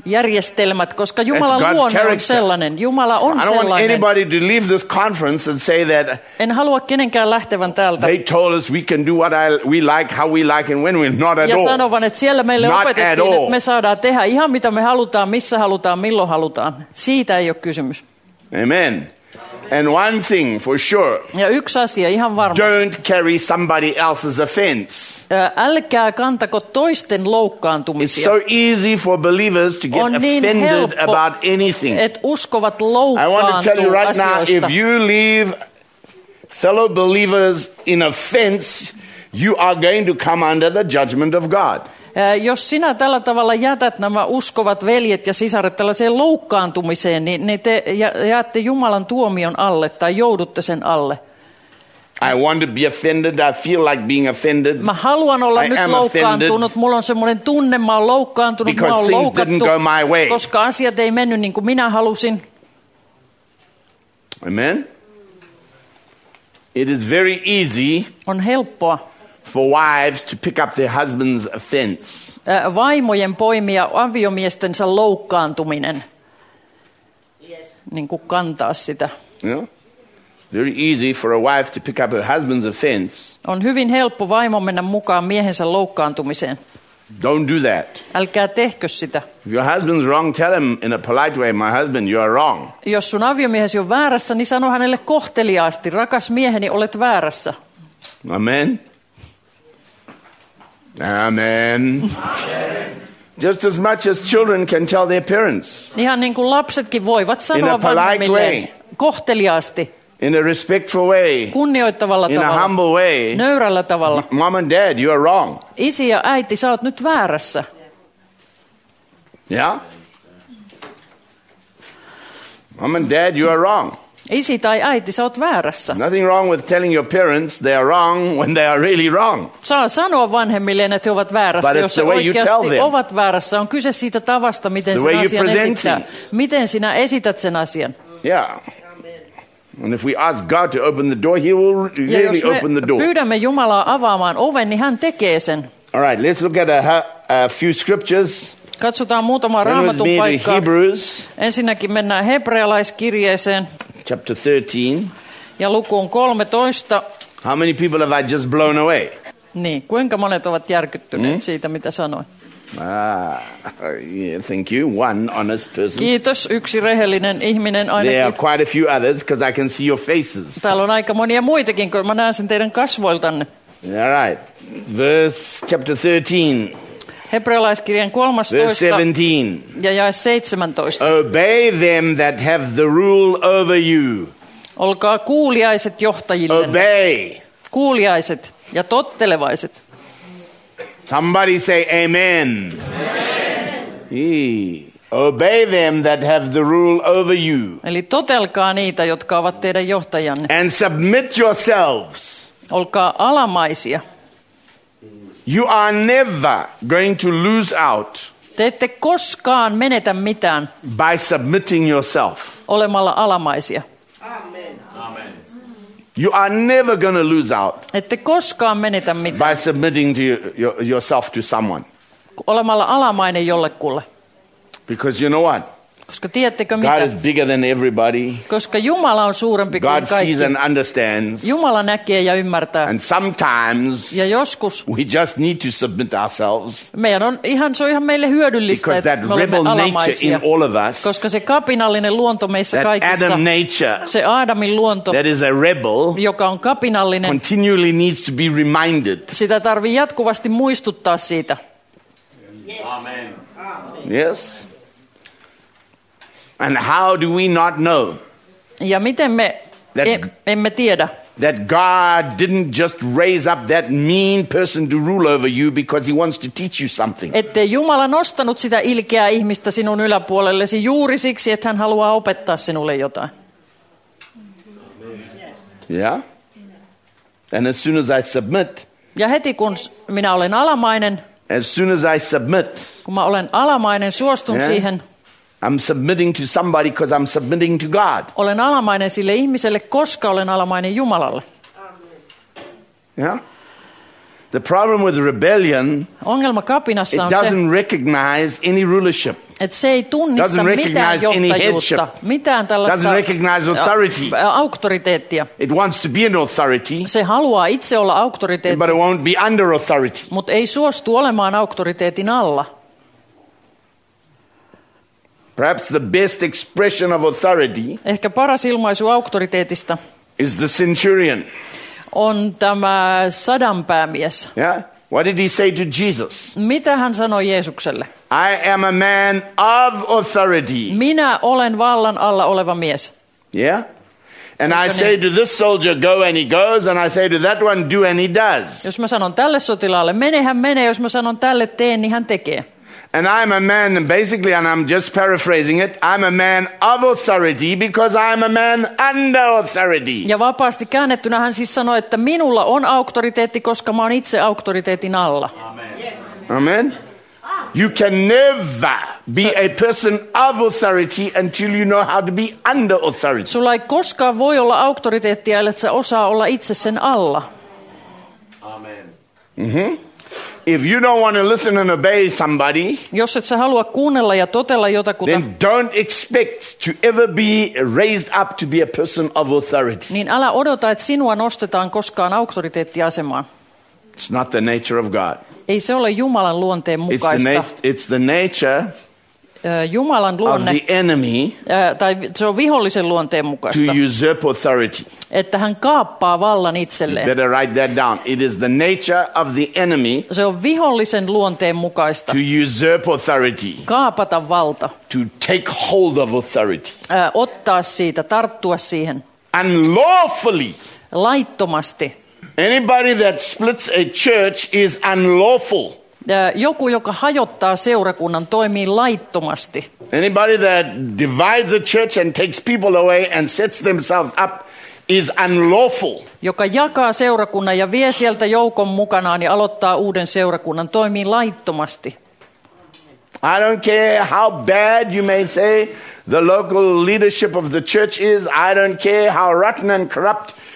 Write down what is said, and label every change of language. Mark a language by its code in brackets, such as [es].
[fi] Järjestelmät, koska Jumalan luonne on sellainen. Jumala on sellainen. [en] I don't want anybody to leave this conference and say that. [fi] En halua kenenkään lähtevän täältä. [en] They told us we can do what we like, how we like, and when we not at all. [fi] Ja sanovan, että siellä meille opetettiin, että me saadaan tehdä ihan mitä me halutaan, missä halutaan, milloin halutaan. Siitä ei ole kysymys. [en] Amen. And one thing for sure. [fi] Ja yksi asia ihan varmasti. [en] Don't carry somebody else's offense. [fi] Älkää kantako toisten loukkaantumisia. [en] It's so easy for believers to get offended about anything. [fi] Et uskovat loukkaantuu. [en] I want to tell you right [fi] asioista. [en] Now, if you leave fellow believers in offense, you are going to come under the judgment of God. [fi] Jos sinä tällä tavalla jätät nämä uskovat veljet ja sisaret tällaiseen loukkaantumiseen, niin te jäätte Jumalan tuomion alle tai joudutte sen alle. [en] I want to be offended. I feel like being offended. [fi] Mä haluan olla nyt loukkaantunut. Mulla on semmoinen tunne, mä oon loukkaantunut, mä oon loukattu, koska asiat ei mennyt niin kuin minä halusin. [en] Amen. It is very easy. [fi] On helppoa. [en] For wives to pick up their husband's offense. [fi] Vaimojen poimia aviomiestensä loukkaantuminen. Yes. Niin kuin kantaa sitä. [en] Yeah. Very easy for a wife to pick up her husband's offense. [fi] On hyvin helppo vaimo mennä mukaan miehensä loukkaantumiseen. [en] Don't do that. [fi] Älkää tehkö sitä. [en] If your husband's wrong, tell him in a polite way, my husband, you are wrong. [fi] Jos sun aviomiehesi on väärässä, niin sano hänelle kohteliaasti, rakas mieheni, olet väärässä. Amen. Amen. [en] Just as much as children can tell their parents. [fi] Ihan niin kuin lapsetkin voivat sanoa vanhemmilleen kohteliaasti. [en] In a respectful way. [fi] Kunnioittavalla [en] in [fi] tavalla. [en] In a humble way. [fi] Nöyrällä tavalla. [en] Mom and dad, you are wrong. [fi] Isi ja äiti, sä oot nyt väärässä. [en] Yeah? Mom and dad, you are wrong. [fi] Isi tai äiti, sä oot väärässä. [en] Nothing wrong with telling your parents they are wrong when they are really wrong. [fi] Saa sanoa vanhemmille, että he ovat väärässä, [en] but [fi] jos he oikeasti ovat väärässä. On kyse siitä tavasta, miten sinä asian [en] present [fi] esittää. Miten sinä esität sen asian. [en] Yeah. And if we ask God to open the door, he will really open the door. [fi] Pyydämme Jumalaa avaamaan oven, niin hän tekee sen. [en] All right, let's look at a few scriptures. [fi] Katsotaan muutama raamatun paikka. [en] Turn with me to Hebrews. [fi] Ensinnäkin mennään hebrealaiskirjeeseen. [en] Chapter 13. [fi] Ja lukuun 13. [en] How many people have I just blown away? [fi] Niin, kuinka monet ovat järkyttyneet siitä, mitä sanoin? [en] Yeah, thank you. One honest person. [fi] Kiitos, yksi rehellinen ihminen ainakin. [en] There are quite a few others because I can see your faces. [fi] Täällä on aika monia muitakin, kun mä näen sen teidän kasvoiltanne. [en] All right. Verse chapter 13. [fi] Hebrealaiskirjan 13. [en] Verse 17. [fi] Ja jae 17. [en] Obey them that have the rule over you. [fi] Olkaa kuuliaiset johtajille. [en] Obey. [fi] Kuuliaiset ja tottelevaiset. [en] Somebody say amen. Amen. Obey them that have the rule over you. [fi] Eli totelkaa niitä, jotka ovat teidän johtajanne. [en] And submit yourselves. [fi] Olkaa alamaisia. [en] You are never going to lose out. [fi] Te ette koskaan menetä mitään. [en] By submitting yourself. [fi] Olemalla alamaisia. [en] You are never going to lose out. [fi] Ette koskaan menetä mitään. [en] By submitting to yourself to someone. [fi] Olemalla alamainen jollekulle. [en] Because you know what? [fi] Koska tiedättekö mitä? [en] God is bigger than everybody. [fi] Koska Jumala on suurempi [en] God [fi] kuin kaikki. [en] God sees and understands. [fi] Jumala näkee ja ymmärtää. [en] And sometimes. [fi] Ja joskus. [en] We just need to submit ourselves. [fi] Meidän on ihan, se on ihan meille hyödyllistä. [en] Because that rebel nature in all of us. [fi] Koska se kapinallinen luonto meissä [en] that [fi] kaikissa. [en] Adam nature. [fi] Se Aadamin luonto. [en] That is a rebel. [fi] Joka on kapinallinen. [en] Continually needs to be reminded. [fi] Sitä tarvii jatkuvasti muistuttaa siitä. Amen. [en] Yes. Yes. And how do we not know? [fi] Ja miten me emme tiedä? [en] That God didn't just raise up that mean person to rule over you because he wants to teach you something. [fi] Ettei Jumala nostanut sitä ilkeää ihmistä sinun yläpuolellesi juuri siksi, että hän haluaa opettaa sinulle jotain. [en] Yeah? And as soon as I submit. [fi] Ja heti kun minä olen alamainen. [en] As soon as I submit. [fi] Kun mä olen alamainen, suostun siihen. [en] I'm submitting to somebody because I'm submitting to God. [fi] Olen alamainen sille ihmiselle, koska olen alamainen Jumalalle. [en] Yeah. The problem with rebellion. [fi] Ongelma kapinassa on se. [en] It doesn't recognize any rulership. [fi] Et se ei tunnista [en] doesn't recognize [fi] mitään johtajuutta, [en] any headship. [fi] Mitään tällaista. [en] Doesn't recognize authority. [fi] Auktoriteettia. [en] It wants to be an authority. [fi] Se haluaa itse olla auktoriteetti. [en] But it won't be under authority. [fi] Mut ei suostu olemaan auktoriteetin alla. [en] Perhaps the best expression of authority. [fi] Ehkä paras ilmaisu auktoriteetista. [en] Is the centurion. [fi] On tämä sadan päämies. [en] Yeah. What did he say to Jesus? [fi] Mitä hän sanoi Jeesukselle? [en] I am a man of authority. [fi] Minä olen vallan alla oleva mies. [en] Yeah. And I say to this soldier, go and he goes, and I say to that one, do and he does. [fi] Jos mä sanon tälle sotilaalle, mene hän menee, jos mä sanon tälle, tee, niin hän tekee. [en] And I'm a man, basically, and I'm just paraphrasing it, I'm a man of authority because I'm a man under authority. [fi] Ja vapaasti käännettynä hän siis sanoi, että minulla on auktoriteetti, koska mä oon itse auktoriteetin alla. Amen. [en] You can never be a person of authority until you know how to be under authority. [fi] Sulla ei koskaan voi olla auktoriteettia, ellei sä osaa olla itse sen alla. Amen. Mm-hmm. [en] If you don't want to listen and obey somebody, [fi] jos et sä halua kuunnella ja totella jotakuta, [en] then don't expect to ever be raised up to be a person of authority. [fi] Niin älä odota, että sinua nostetaan koskaan auktoriteettiasemaan. [en] It's not the nature of God. [fi] Ei se ole Jumalan luonteen mukaista. [en] It's the nature [fi] Jumalan luonne, [en] of the enemy, [fi] tai se on vihollisen luonteen mukaista, [en] to usurp authority. [fi] Että hän kaappaa vallan itselleen. [en] You better write that down. It is the nature of the enemy, [fi] se on vihollisen luonteen mukaista, [en] to usurp authority, [fi] kaapata valta, [en] to take hold of authority, [fi] ottaa siitä, tarttua siihen, [en] unlawfully, [fi] laittomasti. [en] Anybody that splits a church is unlawful. [fi] Joku, joka hajottaa seurakunnan, toimii laittomasti. [en] Anybody that divides a church and takes people away and sets themselves up is unlawful. [fi] Joka jakaa seurakunnan ja vie sieltä joukon mukanaan ja aloittaa uuden seurakunnan, toimii laittomasti. [en] I don't care how bad you may say the local leadership of the church is. I don't care how rotten and corrupt.